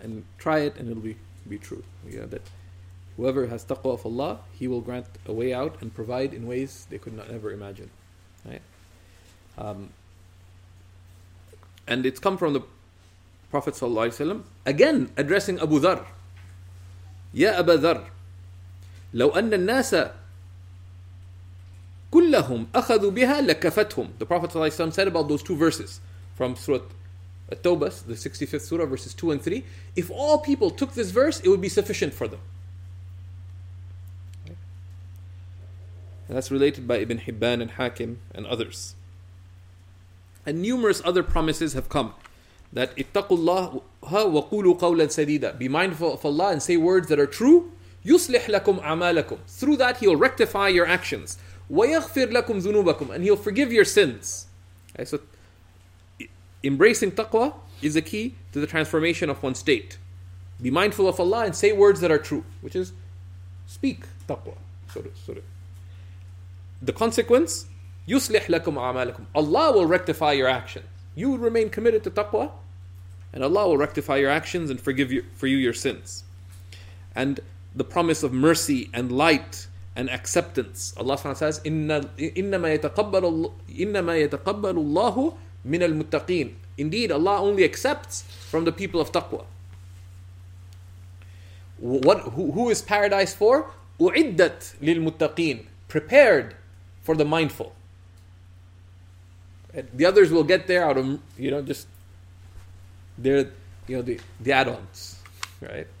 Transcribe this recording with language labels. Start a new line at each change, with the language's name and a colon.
English: And try it and it'll be true. You know, that whoever has taqwa of Allah, He will grant a way out and provide in ways they could not ever imagine. And it's come from the Prophet sallallahu alaihi wasallam again addressing Abu Dharr.
Arabic: Ya Abu Dharr, لو أن الناس كلهم أخذوا بها لكفتهم.
English: The Prophet sallallahu alaihi wasallam said about those two verses from Surah At-Tawbah, the 65th Surah, verses 2 and 3. If all people took this verse, it would be sufficient for them. And that's related by Ibn Hibban and Hakim and others. And numerous other promises have come. That
Arabic: ittaqullaha wa qulu qawlan sadida.
English: Be mindful of Allah and say words that are true.
Arabic: Yuslih lakum amalakum.
English: Through that, He'll rectify your actions.
Arabic: Wa yaghfir lakum dhunubakum.
English: And He'll forgive your sins. Okay, so, embracing taqwa is a key to the transformation of one's state. Be mindful of Allah and say words that are true. Which is, speak taqwa. Sorry. The consequence,
Arabic: yuslih lakum amalakum.
English: Allah will rectify your actions. You will remain committed to taqwa, and Allah will rectify your actions and forgive you for you your sins. And the promise of mercy and light and acceptance. Allah SWT says,
Arabic: إِنَّمَا يَتَقَبَّلُ اللَّهُ مِنَ الْمُتَّقِينَ.
English: Indeed, Allah only accepts from the people of taqwa. Who is paradise for?
Arabic: أُعِدَّتْ لِلْمُتَّقِينَ.
English: Prepared for the mindful. And the others will get there out of, you know, just, they're, you know, the add-ons, right?